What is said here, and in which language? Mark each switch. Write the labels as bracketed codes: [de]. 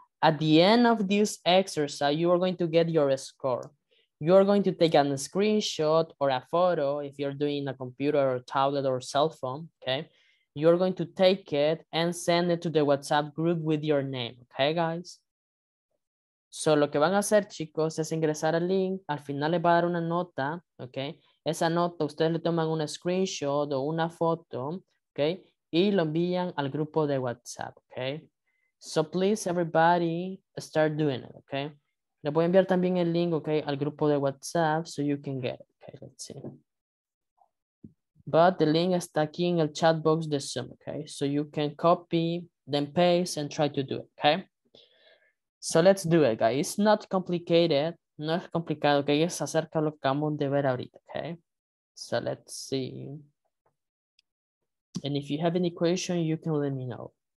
[en] At the end of this exercise, you are going to get your score. You are going to take a screenshot or a photo if you're doing a computer or tablet or cell phone, okay? You are going to take it and send it to the WhatsApp group with your name, okay, guys? [es] So lo que van a hacer, chicos, es ingresar al link. Al final les va a dar una nota, okay? Esa nota, ustedes le toman una screenshot o una foto, okay? Y lo envían al grupo de WhatsApp, okay? [en] So please, everybody, start doing it, okay? [es] Le voy a enviar también el link, okay, al grupo de WhatsApp, [en] so you can get it, okay, let's see. But the link [es] está aquí en el [en] chat box de Zoom, okay? So you can copy, then paste, and try to do it, okay? So let's do it, guys. It's not complicated, [es] no es complicado, [en] okay? [es] Es acerca de lo que acabamos de ver ahorita, okay? [en] So let's see. And if you have any question, you can let me know.